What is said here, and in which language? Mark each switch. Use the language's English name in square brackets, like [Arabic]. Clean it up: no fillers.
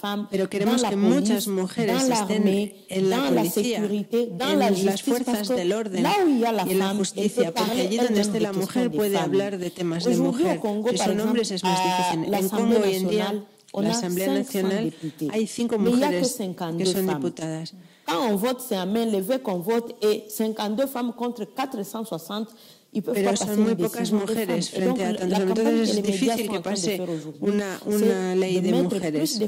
[Spanish] Pero queremos que muchas mujeres estén en la policía, en las fuerzas del orden y en la justicia, porque allí donde esté la mujer puede hablar de temas de mujer. Si son hombres es más difícil. En Congo hoy en día, en la Asamblea Nacional, hay 5 mujeres que son diputadas. [French] Quand on vote, c'est à main levée qu'on vote, et 52 femmes contre 460. [Spanish] Pero son muy pocas mujeres frente a tantos. Entonces es difícil que pase una ley de mujeres.